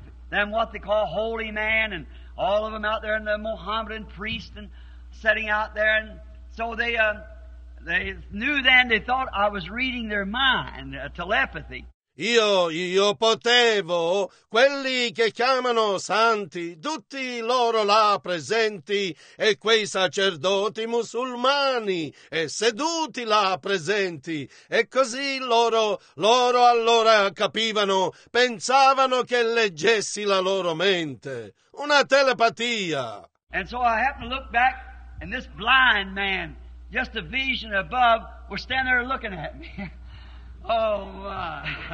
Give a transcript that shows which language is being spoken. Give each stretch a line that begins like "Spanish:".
English: Then what they call holy man, and all of them out there, and the Mohammedan priest and sitting out there, and so they knew then, they thought I was reading their mind, telepathy.
Italian: Io potevo, quelli che chiamano santi, tutti loro là presenti, e quei sacerdoti musulmani, e seduti là presenti, e così loro allora capivano, pensavano che leggessi la loro mente. Una telepatia.
English: And so I happened to look back, and this blind man, just a vision above, was standing there looking at me. Oh my.